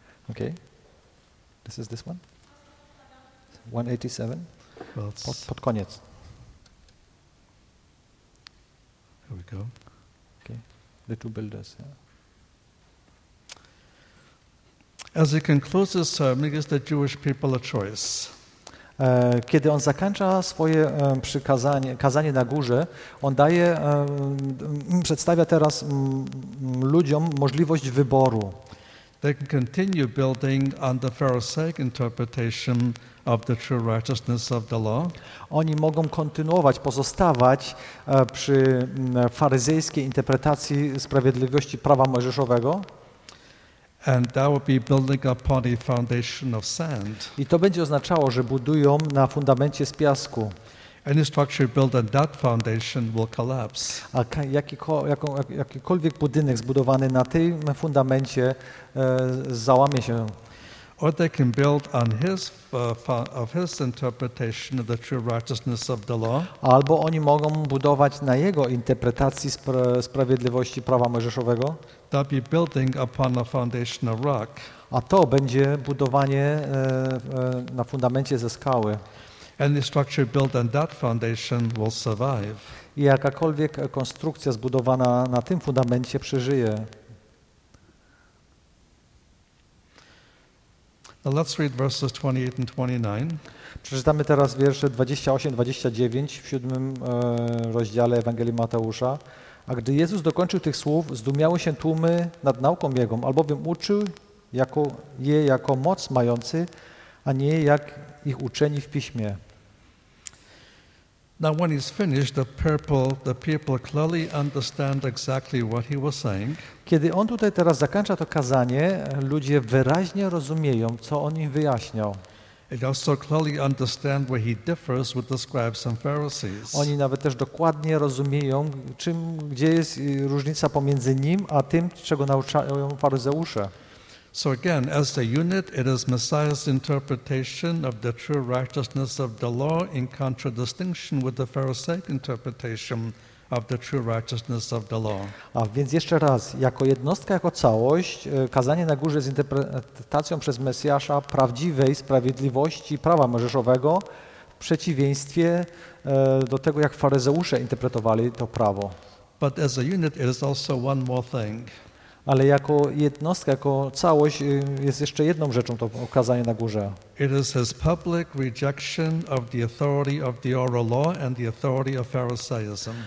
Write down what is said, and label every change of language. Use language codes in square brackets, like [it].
[en] Okay. This is this one? 187? [pl] Pod koniec. [en] Here we go. Okay. The two builders. Yeah. As he concludes his sermon, he gives the Jewish people a choice. [pl] Kiedy on zakończa swoje kazanie na górze, on daje, przedstawia teraz ludziom możliwość wyboru. [en] They can continue building on the Pharisaic interpretation of the true righteousness of the law. [pl] Oni mogą kontynuować, pozostawać przy faryzejskiej interpretacji sprawiedliwości prawa mojżeszowego. [en] And that would be building upon a foundation of sand. [pl] I to będzie oznaczało, że budują na fundamencie z piasku. [en] Any structure built on that foundation will collapse. [pl] A jakikolwiek budynek zbudowany na tym fundamencie załamie się. [en] Or they can build on his interpretation of the true righteousness of the law. [pl] Albo oni mogą budować na jego interpretacji sprawiedliwości prawa mojżeszowego. [en] That'll be building upon a foundation of rock. [pl] A to będzie budowanie na fundamencie ze skały. [en] Any structure built on that foundation will survive. [pl] I jakakolwiek konstrukcja zbudowana na tym fundamencie przeżyje. [en] Now let's read verses 28 and 29. [pl] Przeczytamy teraz wiersze 28-29 w 7 rozdziale Ewangelii Mateusza. A gdy Jezus dokończył tych słów, zdumiały się tłumy nad nauką Jego, albowiem uczył je jako moc mający, a nie jak ich uczeni w piśmie. [en] Now when he's finished, the people clearly understand exactly what he was saying. [pl] Kiedy on tutaj teraz zakończa to kazanie, ludzie wyraźnie rozumieją, co on im wyjaśniał. [en] They also clearly understand where he differs with the scribes and Pharisees. [pl] Oni nawet też dokładnie rozumieją, gdzie jest różnica pomiędzy nim a tym, czego nauczają faryzeusze. [en] So again, as a unit, it is Messiah's interpretation of the true righteousness of the law in contradistinction with the Pharisaic interpretation of the true righteousness of the law. [pl] A więc jeszcze raz, jako jednostka, jako całość, kazanie na górze z interpretacją przez Mesjasza prawdziwej sprawiedliwości prawa mojżeszowego w przeciwieństwie do tego, jak faryzeusze interpretowali to prawo. [en] But as a unit, it is also one more thing. [pl] Ale jako jednostka, jako całość jest jeszcze jedną rzeczą to okazanie na górze. [en] It is his public rejection of the authority of the oral law and the authority of Pharisaism.